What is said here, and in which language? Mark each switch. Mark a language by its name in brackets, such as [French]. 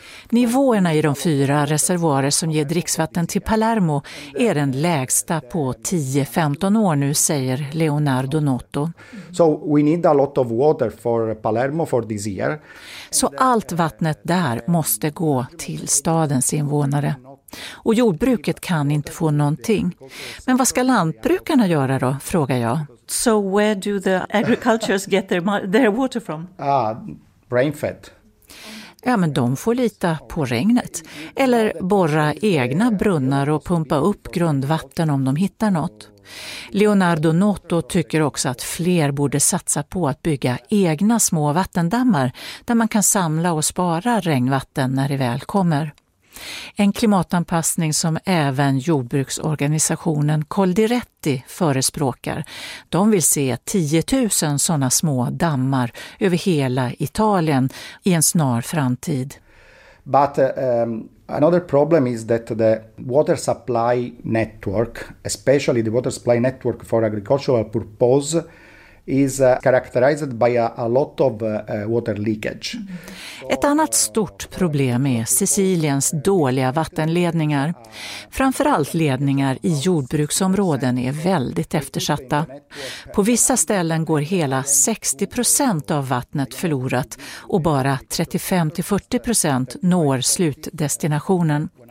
[Swedish] Nivåerna i de 4 reservoarer som ger dricksvatten till Palermo är den lägsta på 10-15 år nu, säger Leonardo Notto. [English] So we need a lot of water for Palermo for this year. [Swedish] Så allt vattnet där måste gå till stadens invånare. Och jordbruket kan inte få någonting. Men vad ska lantbrukarna göra då, frågar jag. [English] So where do the agricultures get their water from? Rainfed. [Swedish] Ja, men de får lita på regnet. Eller borra egna brunnar och pumpa upp grundvatten om de hittar något. Leonardo Notto tycker också att fler borde satsa på att bygga egna små vattendammar där man kan samla och spara regnvatten när det väl kommer. En klimatanpassning som även jordbruksorganisationen Coldiretti förespråkar. De vill se 10 000 sådana små dammar över hela Italien i en snar framtid. [English] But another problem is that the water supply network, especially the water supply network for agricultural purpose, is characterized by a lot of water leakage. [Swedish] Ett annat stort problem är Siciliens dåliga vattenledningar. Framförallt ledningar i jordbruksområden är väldigt eftersatta. På vissa ställen går hela 60% av vattnet förlorat och bara 35-40% når slutdestinationen.